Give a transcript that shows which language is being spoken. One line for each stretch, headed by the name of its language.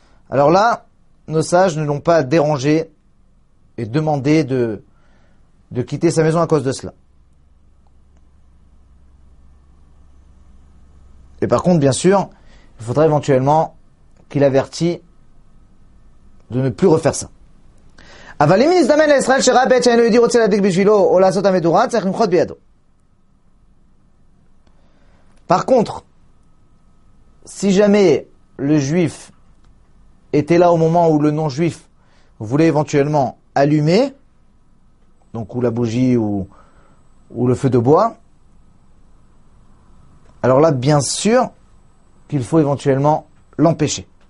French: Alors là, nos sages ne l'ont pas dérangé et demandé de quitter sa maison à cause de cela. Et par contre, bien sûr, il faudra éventuellement qu'il avertisse de ne plus refaire ça.
Hebrew: אבל אם נזדמן לישראל שראה בית שאינו יהודי רוצה להדליק בשבילו או לעשות המדורה, צריך למחות בידו.
French: Par contre, si jamais le juif était là au moment où le non-juif voulait éventuellement allumer, donc ou la bougie ou le feu de bois, alors là, bien sûr qu'il faut éventuellement l'empêcher.